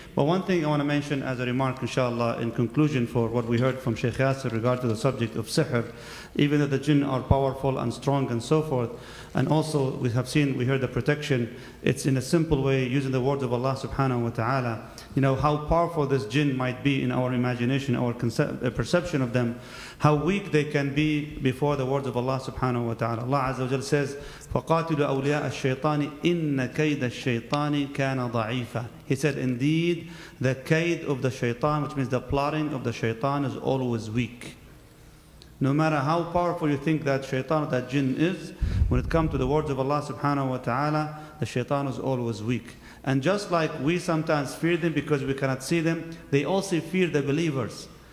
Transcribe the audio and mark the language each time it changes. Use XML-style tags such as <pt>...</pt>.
<en>But one thing I want to mention as a remark, inshallah, in conclusion for what we heard from Sheikh Yasir regard to the subject of sihr, even though the jinn are powerful and strong and so forth, and also we heard the protection, it's in a simple way, using the words of Allah subhanahu wa ta'ala, you know, how powerful this jinn might be in our imagination, our perception of them, how weak they can be before the words of Allah subhanahu wa ta'ala. Allah azza wa jal says,</en> <ar>فَقَاتِلُ أَوْلِيَاءَ الشَّيْطَانِ إِنَّ كَيْدَ الشَّيْطَانِ كَانَ ضَعِيفًا.</ar> <en>He said, indeed, the kaid of the shaytan, which means the plotting of the shaytan, is always weak. No matter how powerful you think that shaytan, that jinn is, when it comes to the words of Allah subhanahu wa ta'ala, the shaytan is always weak. And just like we sometimes fear them because we cannot see them, they also fear the believers.</en>